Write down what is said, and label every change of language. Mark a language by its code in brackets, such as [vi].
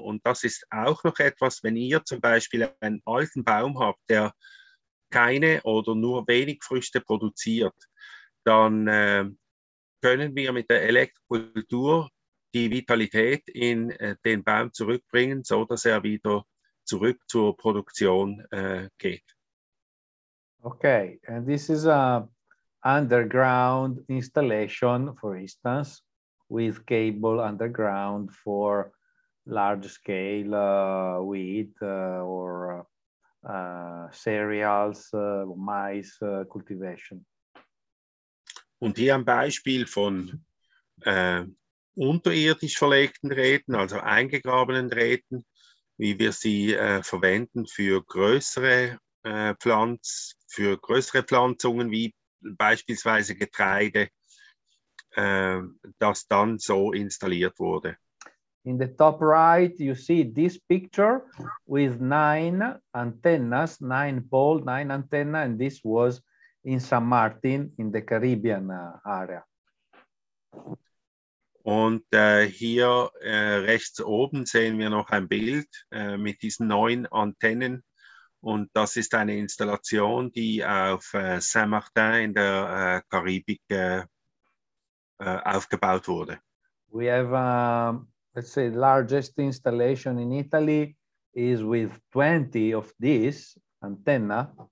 [de] Und das ist auch noch etwas, wenn ihr zum Beispiel einen alten Baum habt, der keine oder nur wenig Früchte produziert, dann können wir mit der Elektrokultur die Vitalität in den Baum zurückbringen, sodass er wieder zurück zur Produktion geht. [en] Okay, and this is a underground installation, for instance, with cable underground for large scale wheat or cereals, mais cultivation. [de] Und hier ein Beispiel von unterirdisch verlegten Drähten, also eingegrabenen Drähten, wie wir sie verwenden für größere Pflanzungen wie beispielsweise Getreide, das dann so installiert wurde. [en] In the top right, you see this picture with nine antennas, and this was in San Martin in the Caribbean area. [de] Und hier rechts oben sehen wir noch ein Bild mit diesen 9 Antennen. Und das ist eine Installation, die auf Saint-Martin in der Karibik aufgebaut wurde. [en] We have, let's say, largest installation in Italy is with 20 of these antenna.